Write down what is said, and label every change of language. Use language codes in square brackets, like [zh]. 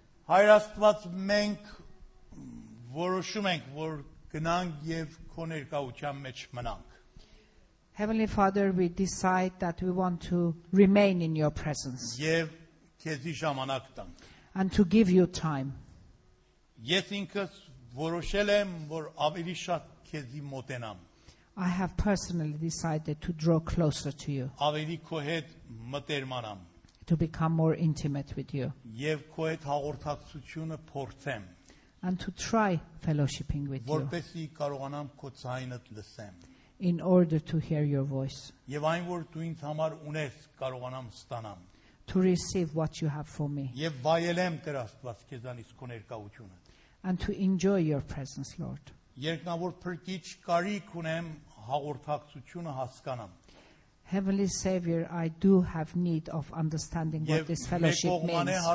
[hy] Հայր Աստված, մենք որոշում ենք, որ գնանք եւ քո ներկայության մեջ մնանք. [en] Heavenly Father, we decide that we want to remain in your presence. [hy] Եւ քեզի ժամանակ տանք. [en] And to give you time. [hy] Ես ինքս որոշել եմ, որ ավելի շատ քեզի մոտենամ. [en] I have personally decided to draw closer to you. [hy] Ավելի քո հետ մտերմանամ. [en] To become more intimate with you. [hy] Եվ քո հետ հաղորդակցությունը փորձեմ. [en] And to try fellowshipping with you. [hy] Որպեսզի կարողանամ քո ձայնդ լսեմ. [en] In order to hear your voice. [hy] Եվ այն որ դու ինձ համար ունես կարողանամ ստանամ. [en] To receive what you have for me. [hy] Եվ վայելեմ Տեր Աստված քեզանից քո ներկայությունը. [en] And to enjoy your presence, Lord. [hy] Երկնավոր փրկիչ կարիք ունեմ հաղորդակցությունը հասկանամ. [en] Heavenly Savior, I do have need of understanding what this fellowship means.